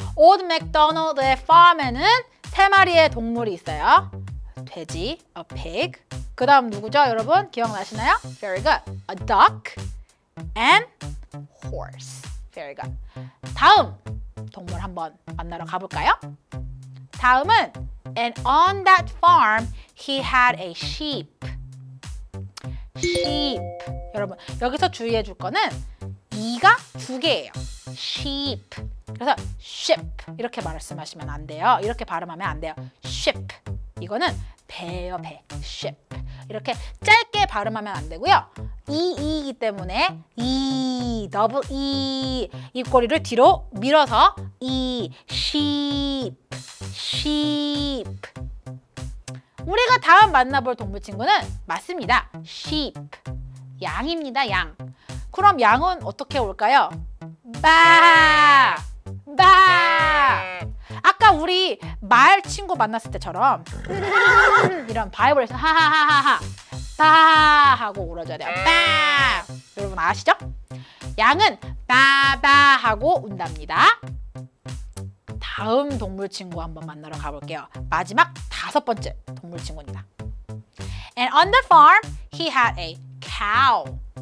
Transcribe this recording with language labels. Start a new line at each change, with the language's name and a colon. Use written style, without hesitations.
Korean: 올드 맥도널드의 farm에는 세 마리의 동물이 있어요. 돼지,
English: a pig.
Korean: 그 다음 누구죠, 여러분? 기억나시나요?
English: Very good. A duck and horse. Very good.
Korean: 다음 동물 한번 만나러 가볼까요? 다음은
English: And on that farm, he had a sheep. Sheep.
Korean: 여러분, 여기서 주의해 줄 거는 이가 두 개예요.
English: Sheep.
Korean: 그래서 sheep 이렇게 말씀하시면 안 돼요. 이렇게 발음하면 안 돼요.
English: Sheep.
Korean: 이거는 배요, 배. Sheep. 이렇게 짧게 발음하면 안 되고요. E이기 때문에 E, double E. 입꼬리를 뒤로 밀어서 E.
English: Sheep. Sheep.
Korean: 우리가 다음 만나볼 동물 친구는 맞습니다.
English: Sheep.
Korean: 양입니다, 양. 그럼 양은 어떻게 올까요? 바! 바! 아까 우리 말 친구 만났을 때처럼 이런 바이브레이션 하하하하하 바! 하고 울어줘야 돼요. 바! 여러분 아시죠? 양은 바바 하고 운답니다. 다음 동물 친구 한번 만나러 가볼게요. 마지막 다섯 번째 동물 친구입니다.
English: And on the farm, he had a cow.